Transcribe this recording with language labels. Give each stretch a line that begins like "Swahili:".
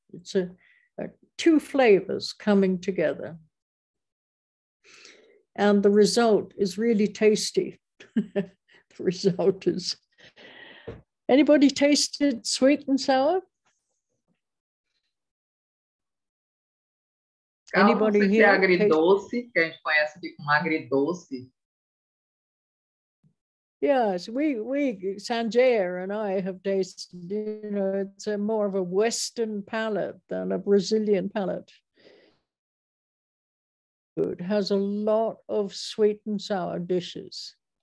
English: It's a two flavors coming together. And the result is really tasty. The result is. Anybody tasted sweet and sour? Anybody here?
Portuguese: Que é agridoce, que a gente conhece de um agridoce.
English: Yes, we Sanjay and I have tasted, you know, it's a more of a Western palate than a Brazilian palate. Food has a lot of sweet and sour dishes.